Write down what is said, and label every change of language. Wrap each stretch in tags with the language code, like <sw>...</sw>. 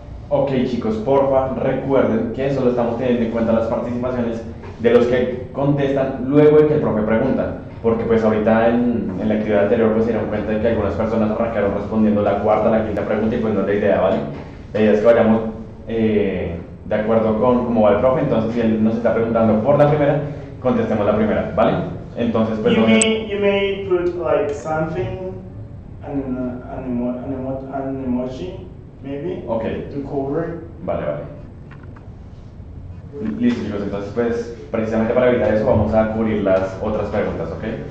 <es>Okay, chicos, porfa, recuerden que solo estamos teniendo en cuenta las participaciones de los que contestan luego de que el profe pregunta. Porque pues ahorita en la actividad anterior pues se dieron cuenta de que algunas personas arrancaron respondiendo la cuarta, la quinta pregunta y pues no es la idea, ¿vale? La idea es que vayamos de acuerdo con cómo va el profe, entonces si él nos está preguntando por la primera, contestemos la primera, ¿vale? Entonces pues...</es> <en>You may put like something, an emoji, maybe, okay. To cover.</en> <es>Vale, vale. Listo, chicos, entonces pues precisamente para evitar eso vamos a cubrir las otras preguntas, ¿ok?</es>